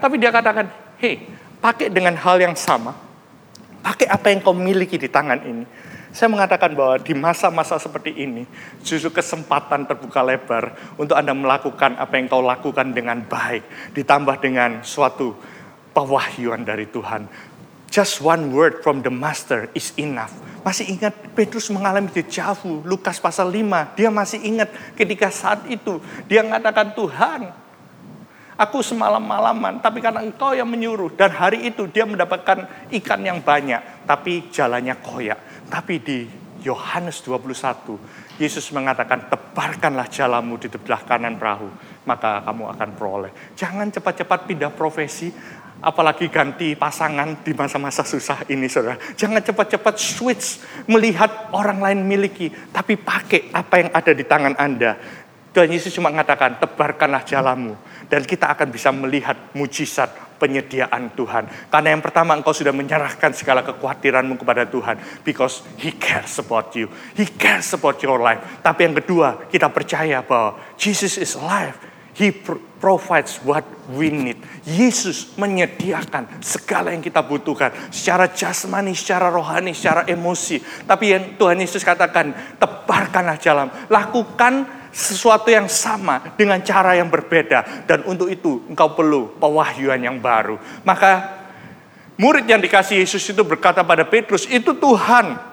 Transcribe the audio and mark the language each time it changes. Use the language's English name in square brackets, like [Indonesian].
[Indonesian] Tapi dia katakan, hei, pakai dengan hal yang sama, pakai apa yang kau miliki di tangan ini. Saya mengatakan bahwa di masa-masa seperti ini, justru kesempatan terbuka lebar untuk Anda melakukan apa yang kau lakukan dengan baik, ditambah dengan suatu pewahyuan dari Tuhan. [English] Just one word from the master is enough. [Indonesian] Masih ingat Petrus mengalami deja vu, Lukas pasal 5. Dia masih ingat ketika saat itu dia mengatakan, Tuhan, aku semalam-malaman, tapi karena engkau yang menyuruh. Dan hari itu dia mendapatkan ikan yang banyak, tapi jalannya koyak. Tapi di Yohanes 21, Yesus mengatakan, tebarkanlah jalamu di sebelah kanan perahu, maka kamu akan peroleh. Jangan cepat-cepat pindah profesi, apalagi ganti pasangan di masa-masa susah ini, saudara. Jangan cepat-cepat switch melihat orang lain miliki, tapi pakai apa yang ada di tangan Anda. Tuhan Yesus cuma mengatakan, tebarkanlah jalamu. Dan kita akan bisa melihat mujizat penyediaan Tuhan. Karena yang pertama, engkau sudah menyerahkan segala kekhawatiranmu kepada Tuhan. [English] Because He cares about you. He cares about your life. [Indonesian] Tapi yang kedua, kita percaya bahwa [English] Jesus is alive. He provides what we need. [Indonesian] Yesus menyediakan segala yang kita butuhkan. Secara jasmani, secara rohani, secara emosi. Tapi yang Tuhan Yesus katakan, tebarkanlah jalan. Lakukan sesuatu yang sama dengan cara yang berbeda. Dan untuk itu engkau perlu pewahyuan yang baru. Maka murid yang dikasih Yesus itu berkata pada Petrus, itu Tuhan.